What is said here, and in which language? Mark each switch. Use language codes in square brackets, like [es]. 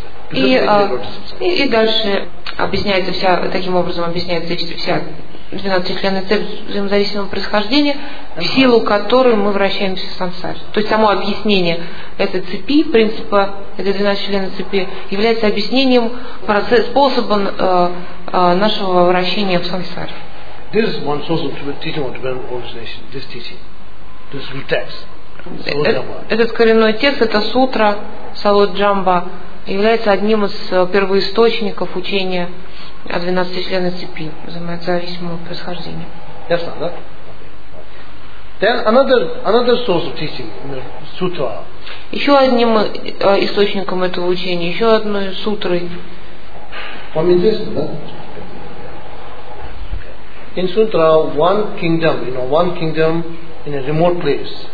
[ru] и дальше объясняется вся, таким образом объясняется вся 12-членная цепь взаимозависимого происхождения, в силу которой мы вращаемся в сансаре. То есть само объяснение этой цепи, принципа этой 12-членной цепи, является объяснением способа нашего вращения в сансаре. [en] This is one source of teaching of development organization, this teaching, this root text. [ru] Этот коренной текст, это сутра Салоджамба, является одним из первоисточников учения о 12 членах цепи взаимозависимого происхождения. [en] Yes, sir, right? Then another source of teaching, sutra. [ru] Еще одним источником этого учения, еще одной сутрой. [en] From this, right? In Sutra, one kingdom, you know, one kingdom in a remote place.